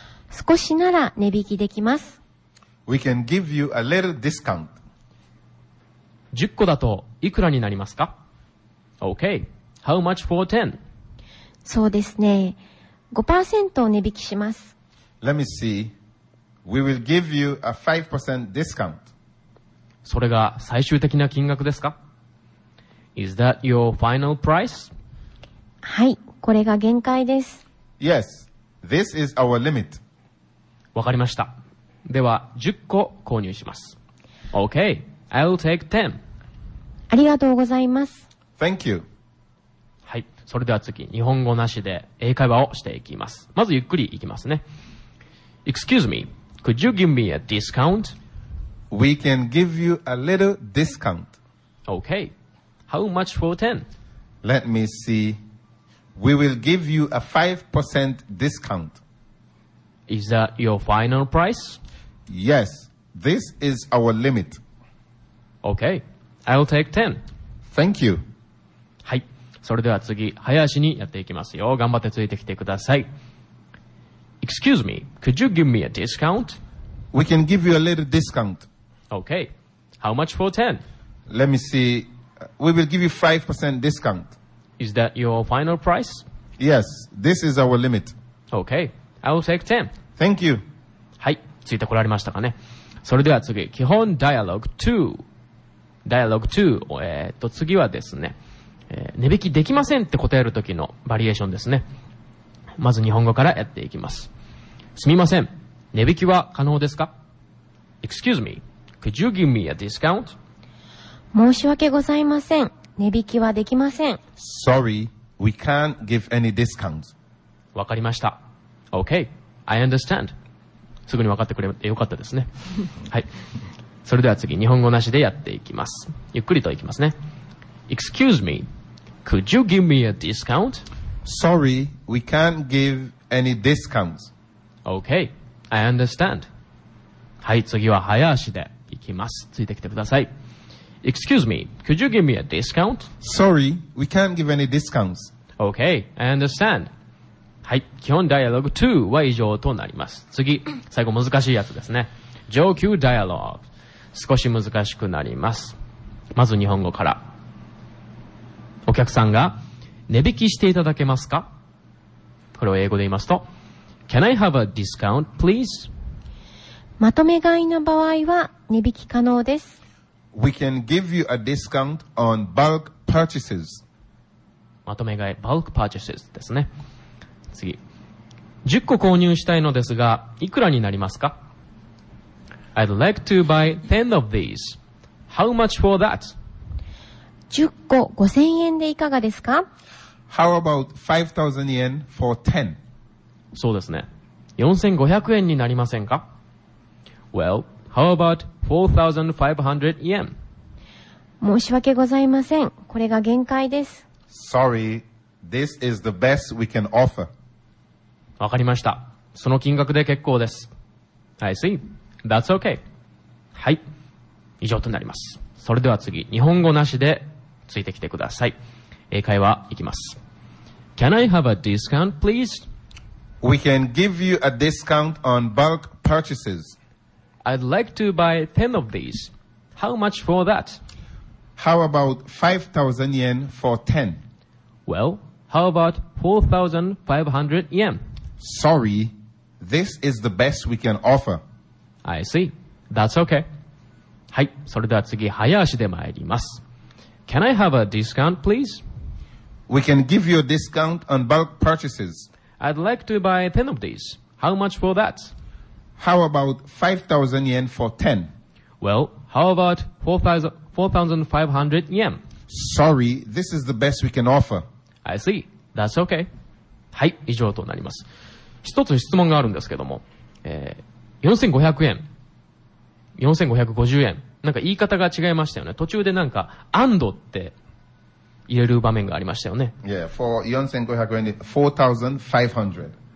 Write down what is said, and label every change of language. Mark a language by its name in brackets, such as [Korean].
[Japanese] 少しなら値引きできます [English] We can give you a little discount [Japanese] 10個だといくらになりますか? [English] Okay, how much for 10? [Japanese] そうですね 5% を値引きします [English] Let me see, we will give you a 5% discount [Japanese] それが最終的な金額ですか? [English] Is that your final price? [Japanese] はい、これが限界です。 [English] Yes, this is our limit. [Japanese] わかりました。では、10個購入します。 [English] Okay, I'll take 10. [Japanese] ありがとうございます。 [English] Thank you. [Japanese] はい、それでは次、日本語なしで英会話をしていきます。まずゆっくりいきますね。 [English] Excuse me, could you give me a discount? We can give you a little discount. Okay. How much for 10? Let me see. We will give you a 5% discount. Is that your final price? Yes, this is our limit. Okay, I'll take 10. Thank you. [Japanese] はい、それでは次、早足にやっていきますよ。頑張ってついてきてください。 [English] Excuse me, could you give me a discount? We can give you a little discount. Okay, how much for 10? Let me see. We will give you 5% discount. Is that your final price? Yes, this is our limit. Okay, I will take 10. Thank you. [Japanese] はい、ついてこられましたかね。それでは次、基本 [English] Dialogue 2. Dialogue 2. [Japanese] 次はですね、値引きできませんって答える時のバリエーションですね。まず日本語からやっていきます。すみません、値引きは可能ですか? [English] Excuse me, could you give me a discount? [Japanese] 申し訳ございません。値引きはできません。 [English] Sorry, we can't give any discounts. [Japanese] わかりました。 [English] Okay, I understand. [Japanese] すぐに分かってくれてよかったですね。はい。それでは次、日本語なしでやっていきます。ゆっくりといきますね。 [English] Excuse me, could you give me a discount? Sorry, we can't give any discounts. Okay, I understand. [Japanese] はい、次は早足でいきます。ついてきてください。 [English] Excuse me, could you give me a discount? Sorry, we can't give any discounts. Okay, I understand. [Japanese] はい、基本ダイアログ2は以上となります。次、最後難しいやつですね。上級ダイアログ。少し難しくなります。まず日本語から。お客さんが、値引きしていただけますか? これを英語で言いますと、 [English] Can I have a discount, please? [Japanese] まとめ買いの場合は、値引き可能です。 [English] We can give you a discount on bulk purchases. [Japanese] まとめ買い、bulk purchases ですね。次。 10個購入したいのですが、いくらになりますか? [English] I'd like to buy 10 of these. How much for that? [Japanese] 10個5000円でいかがですか? [English] How about 5000 yen for 10? [Japanese] そうですね。4500円になりませんか? [English] Well, how about 4500 yen? [Japanese] 申し訳ございません。これが限界です。 [English] Sorry, this is the best we can offer. [Japanese] わかりました。その金額で結構です。 [English] I see. That's okay. [Japanese] はい。以上となります。それでは次、日本語なしでついてきてください。英会話いきます。 [English] Can I have a discount, please? We can give you a discount on bulk purchases. I'd like to buy 10 of these. How much for that? How about 5,000 yen for 10? Well, how about 4,500 yen? Sorry, this is the best we can offer. I see. That's okay. はい。 [Japanese] それでは次、早足で参ります。 [English] Can I have a discount, please? We can give you a discount on bulk purchases. I'd like to buy 10 of these. How much for that? How about 5,000 yen for 10? Well, how about 4,500 yen? Sorry, this is the best we can offer. I see. That's okay. はい。 [Japanese] 以上となります。一つ質問があるんですけども、4,500円、4,550円、なんか言い方が違いましたよね。途中でなんか and って入れる場面がありましたよね。 [English] Yeah, for 4,500円 4,500.